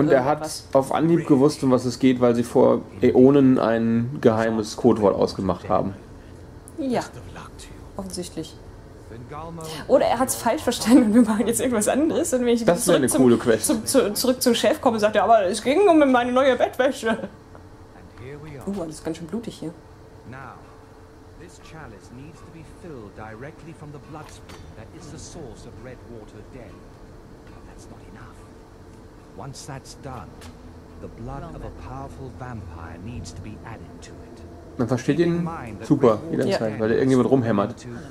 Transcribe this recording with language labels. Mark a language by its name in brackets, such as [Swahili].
[German] Und er hat auf Anhieb gewusst, um was es geht, weil sie vor Äonen ein geheimes Codewort ausgemacht haben. Ja, offensichtlich. Oder er hat es falsch verstanden und wir machen jetzt irgendwas anderes. Und wenn ich das ist eine coole Quest. Zurück zum Chef komme, sagt er, aber es ging um meine neue Bettwäsche. Das ist ganz schön blutig hier. [English] Now, this chalice needs to be filled directly from the bloodstream that is the source of Redwater Den. But that's not enough. Once that's done, the blood of a powerful vampire needs to be added to it. [German] Man versteht ihn super jederzeit, weil er irgendjemand rumhämmert.